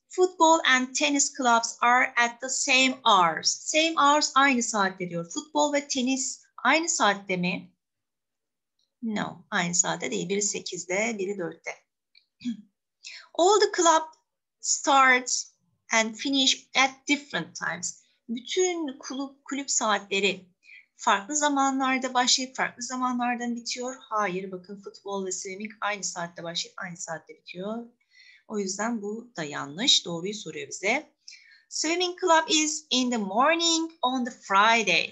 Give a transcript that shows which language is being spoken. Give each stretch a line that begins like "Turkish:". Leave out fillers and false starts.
English: Football and tennis clubs are at the same hours. Same hours
Turkish: aynı saatte diyor. Futbol ve tenis aynı saatte mi?
English: No,
Turkish: aynı saatte değil. Biri 8'de, biri 4'te.
English: All the club starts and finish at different times.
Turkish: Bütün kulüp saatleri farklı zamanlarda başlayıp farklı zamanlardan bitiyor. Hayır, bakın futbol ve swimming aynı saatte başlayıp aynı saatte bitiyor. O yüzden bu da yanlış. Doğruyu soruyor bize.
English: Swimming club is in the morning on the Friday.